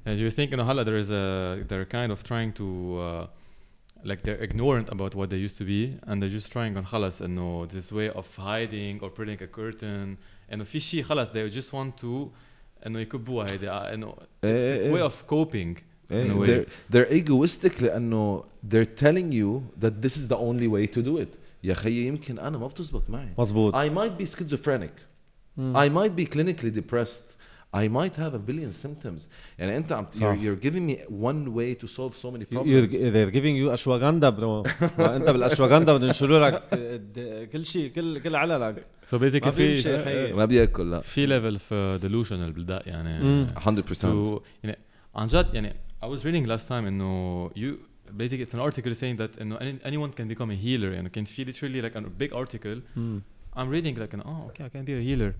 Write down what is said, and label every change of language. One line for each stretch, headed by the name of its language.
English: And you think, you know, there is a, they're kind of trying to, like they're ignorant about what they used to be, and they're just trying on خلاص, you know, this way of hiding or putting a curtain. And
Arabic: في شيء خلاص,
English: they just want to, you know,
Arabic: يكبوها هيدا,
English: you know, it's a way of coping. They're egoistic لأنه they're telling you that this is the only way to do it.
Arabic: يا خيي يمكن أنا ما بتزبط معي. مزبوط.
English: I might be schizophrenic. I might be clinically depressed. I might have a billion symptoms. And
Arabic: أنت عم
English: you're giving me one way to solve so many problems. They're giving you ashwagandha, bro.
Arabic: أنت بالأشواغندا بدهم يشيلوا لك كل شيء, كل عللك.
English: So basically, في
Arabic: ما بياكل لا.
English: في level of delusional
Arabic: بالداء يعني. 100%. يعني عن جد يعني
English: I was reading last time إنه you basically it's an article saying that إنه anyone can become a healer. يعني can feel it's really like a big article. I'm reading like an okay, I can be a healer.